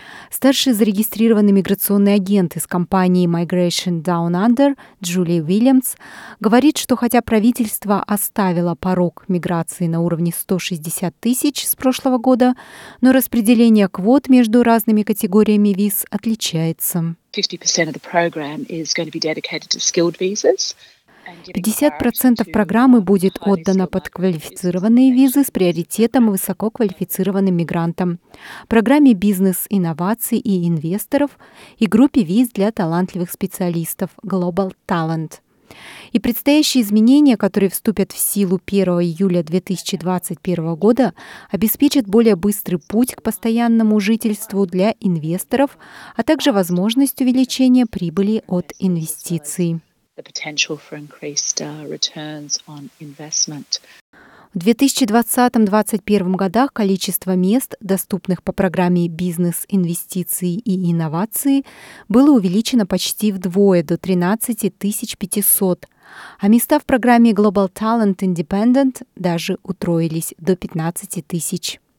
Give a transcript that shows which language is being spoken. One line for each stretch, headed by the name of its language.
Russian: Старший зарегистрированный миграционный агент из компании Migration Down Under Джули Уильямс говорит, что хотя правительство оставило порог миграции на уровне 160 тысяч с прошлого года, но распределение квот между разными категориями виз отличается.
English: 50% of the program is going to be dedicated to skilled visas.
Russian: 50% программы будет отдано под квалифицированные визы с приоритетом высококвалифицированным мигрантам, программе бизнес-инноваций и инвесторов и группе виз для талантливых специалистов Global Talent. И предстоящие изменения, которые вступят в силу 1 июля 2021 года, обеспечат более быстрый путь к постоянному жительству для инвесторов, а также возможность увеличения прибыли от инвестиций.
English: The potential for increased returns on investment.
Russian: В 2020-2021 годах количество мест, доступных по программе «Бизнес, инвестиции и инновации», было увеличено почти вдвое, до 13 500, а места в программе «Global Talent Independent» даже утроились, до 15 000.